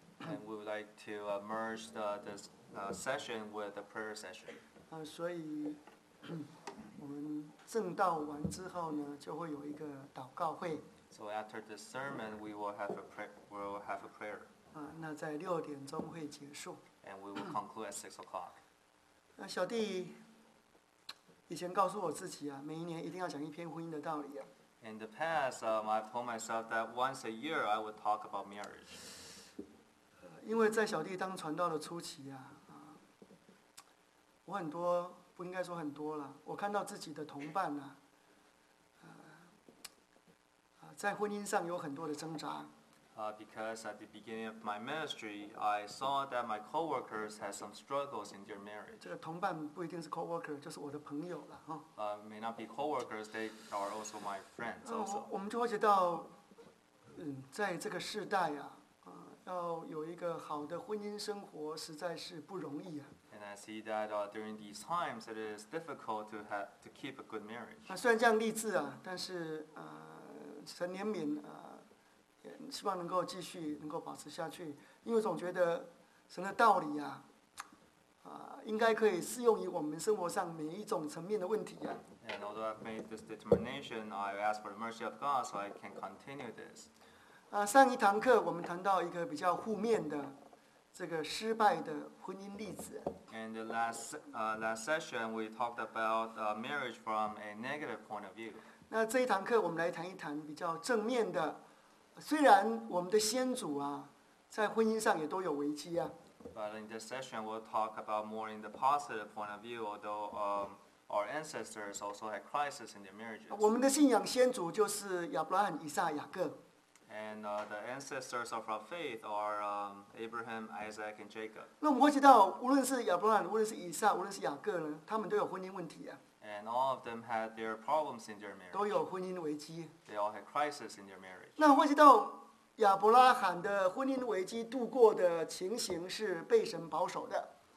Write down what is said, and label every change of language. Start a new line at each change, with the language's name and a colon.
English: And we would like to merge the session with the prayer session.
Chinese: 所以我们正道完之后呢，就会有一个祷告会。
English: So after the sermon, we will have a prayer. We will have a prayer.
Chinese: 那在六点钟会结束。
English: And we will conclude at 6 o'clock.
Chinese: 小弟以前告诉我自己啊，每一年一定要讲一篇婚姻的道理啊。
English: In the past, I've told myself that once a year I would talk about marriage.
Chinese: 因为在小弟当传道的初期啊，我很多不应该说很多了，我看到自己的同伴呢、在婚姻上有很多的挣扎。
English: Because at the beginning of my ministry, I saw that my coworkers had some struggles in their marriage.
Chinese: 这个同伴不一定是 coworker, 就是我的朋友了。
English: May not be coworkers, they are also my friends.
Chinese: 我们就会觉得、在这个世代啊、要有一个好的婚姻生活实在是不容易啊。
English: And I see that、during these times, it is difficult to keep a good marriage.
Chinese: 虽然这样励志啊，但是、神怜悯啊。希望能够继续能够保持下去，因为总觉得神的道理啊、应该可以适用于我们生活上每一种层面的问题啊。
English: And although I've made this determination, I ask for the mercy of God so I can continue this.
Chinese: 上一堂课我们谈到一个比较负面的这个失败的婚姻例子。
English: And the last session we talked about marriage from a negative point of view.
Chinese: 那这一堂课我们来谈一谈比较正面的。虽然我们的先祖啊，在婚姻上也都有危机啊。
English: But in this session, we'll talk about more in the positive point of view. Although our ancestors also had crisis in their marriages.
Chinese: 我们的信仰先祖就是亚伯拉罕、以撒、雅各。
English: And the ancestors of our faith are Abraham, Isaac, and Jacob.
Chinese: 那我们会知道，无论是亚伯拉罕，无论是以撒，无论是雅各呢，他们都有婚姻问题啊。
English: And all of them had their problems in their marriage.
Chinese: 都有婚姻危机。
English: They all had crisis in their marriage.
Chinese: 那会知道亚伯拉罕的婚姻危机度过的情形是被神保守的。